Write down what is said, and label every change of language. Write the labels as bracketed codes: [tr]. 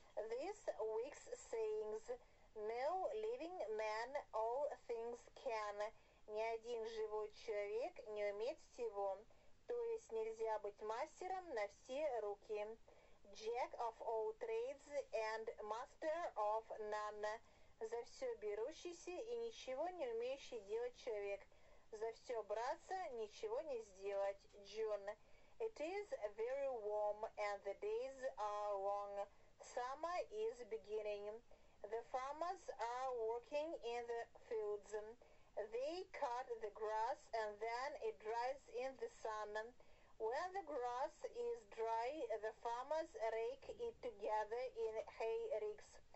[en] These week's sayings: no living man, all things can. [ru] Ни один живой человек не умеет всего. То есть нельзя быть мастером на все руки. [en] Jack of all trades and master of none. [ru] За все берущийся и ничего не умеющий делать человек. За все браться, ничего не сделать. [en] June. It is very warm and the days are long. Summer is beginning. The farmers are working in the fields. They cut the grass and then it dries in the sun. When the grass is dry, the farmers rake it together in hay ricks.